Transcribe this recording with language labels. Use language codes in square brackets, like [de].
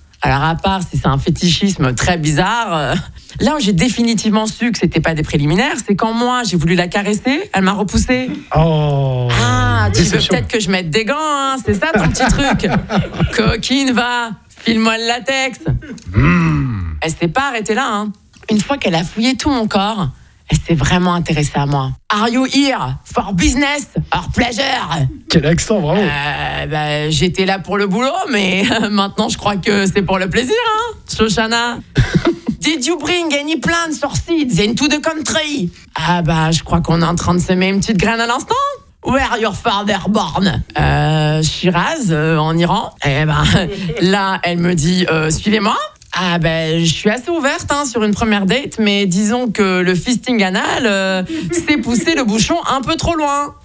[fr] Alors à part si c'est un fétichisme très bizarre, là où j'ai définitivement su que c'était pas des préliminaires, c'est quand moi j'ai voulu la caresser, elle m'a repoussée. Oh. Ah, tu veux peut-être que je mette des gants, hein, c'est ça ton petit truc. Coquine, va, file-moi le latex. Elle s'est pas arrêtée là, hein. Une fois qu'elle a fouillé tout mon corps, elle s'est vraiment intéressée à moi. [en] Are you here for business or pleasure? [fr] Quel accent, vraiment. Bah, j'étais là pour le boulot, mais maintenant je crois que c'est pour le plaisir, hein, Shoshana. [en] Did you bring any plants or seeds into the country? [fr] Ah bah, je crois qu'on est en train de semer une petite graine à l'instant. [en] Where your father born? [fr] Shiraz, en Iran. Eh bah, ben, là, elle me dit, suivez-moi. Ah ben, je suis assez ouverte hein, sur une première date, mais disons que le fisting anal, c'est pousser le bouchon un peu trop loin.